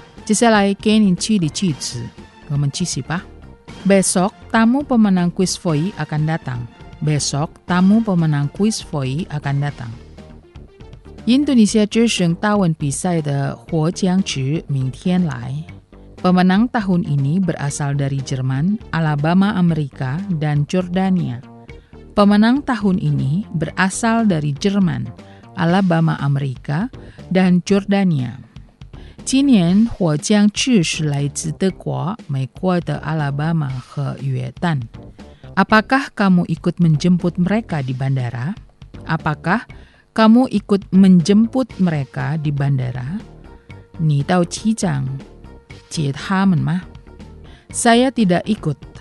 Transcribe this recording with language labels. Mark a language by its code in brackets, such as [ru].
[zh] 接下来给您举例句子，我们继续吧。 [id] Besok tamu pemenang quiz for you akan datang。 Besok tamu pemenang quiz for you akan datang。 [zh] 印度尼西亚之声答问比赛的获奖者明天来。 [id] Pemenang tahun ini berasal dari Jerman, Alabama, Amerika, dan Jordania. Pemenang tahun ini berasal dari Jerman, Alabama, Amerika, dan Jordania. [zh] 今年获奖者是来自德国、美国的 Alabama 和约旦。 [id] Apakah kamu ikut menjemput mereka di bandara? Apakah kamu ikut menjemput mereka di bandara? [zh] 你到机场接他们吗？ [id] Saya tidak ikut.